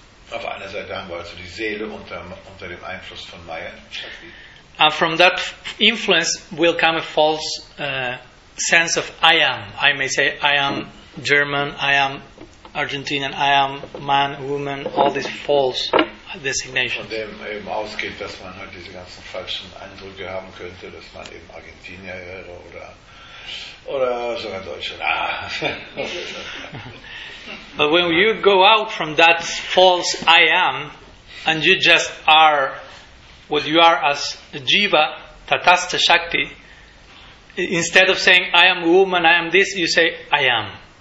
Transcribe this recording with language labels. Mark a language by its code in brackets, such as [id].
[de] Auf einer Seite haben wir also die Seele unter dem Einfluss von Maya Shakti. [en] And from that influence will come a false sense of I am. I may say I am German, I am Argentinian, I am man, woman, all these false designations. [de] Von dem eben ausgeht, dass man halt diese ganzen falschen Eindrücke haben könnte, dass man eben Argentinier wäre oder sogar Deutscher. Ah. [en] But when you go out from that false I am and you just are what you are as Jiva, Tatastha Shakti, instead of saying I am woman, I am this, you say I am.